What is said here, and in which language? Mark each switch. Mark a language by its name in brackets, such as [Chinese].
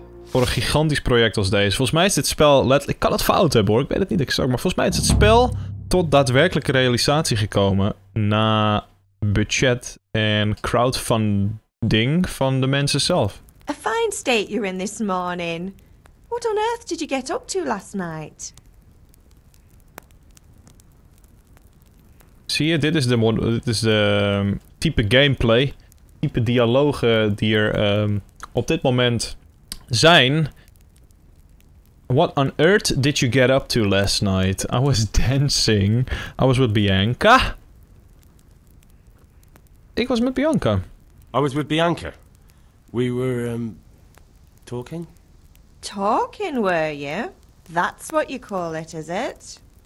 [Dutch] Voor een gigantisch project als deze. Volgens mij is dit spel... Ik kan het fout hebben hoor, ik weet het niet exact. Maar volgens mij is het spel... tot daadwerkelijke realisatie gekomen na budget en crowdfunding van de mensen zelf. [English] A fine state you're in this morning. What on earth did you get up to last night? [Dutch] Zie je, dit is de type gameplay type dialogen die er op dit moment zijn. [English] What on earth did you get up to last night? I was dancing. I was with Bianca. [Dutch] Ik was met Bianca. [English] I was with Bianca. We were talking. Talking, were you? That's what you call it, is it?